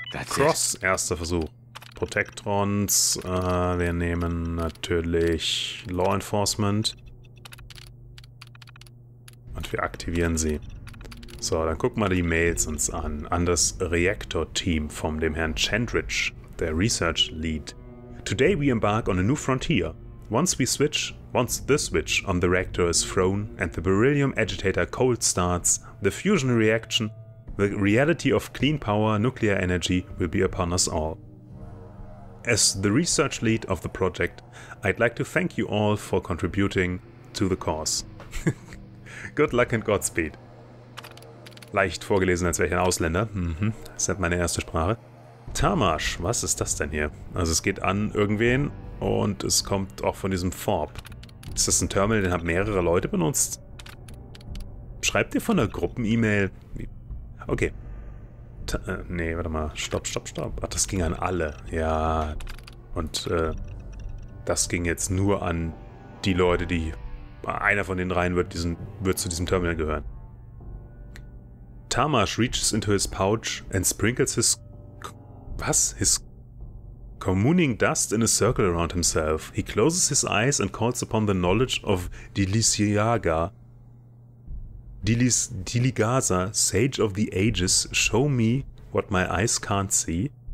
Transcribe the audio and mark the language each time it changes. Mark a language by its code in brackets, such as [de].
[de] Cross, erster Versuch. Protectrons, wir nehmen natürlich Law Enforcement. Und wir aktivieren sie. So, dann gucken wir die Mails uns an. An das Reaktor-Team von dem Herrn Chandridge, der Research Lead. [en] Today we embark on a new frontier. Once the switch on the reactor is thrown and the beryllium agitator cold starts, the fusion reaction, the reality of clean power, nuclear energy will be upon us all. As the research lead of the project, I'd like to thank you all for contributing to the cause. Good luck and Godspeed. [de] Leicht vorgelesen, als wäre ich ein Ausländer. Das ist meine erste Sprache. Tamash, was ist das denn hier? Also es geht an irgendwen und es kommt auch von diesem Forb. Ist das ein Terminal, den haben mehrere Leute benutzt? Schreibt ihr von der Gruppen-E-Mail? Okay. Warte mal. Ach, das ging an alle. Ja. Und das ging jetzt nur an die Leute, die... Einer von den dreien wird zu diesem Terminal gehören. [en] Tamash reaches into his pouch and sprinkles his... [de] Was? [en] His... Communing dust in a circle around himself. He closes his eyes and calls upon the knowledge of Diliciaga. Diligasa, Sage of the Ages, show me what my eyes can't see.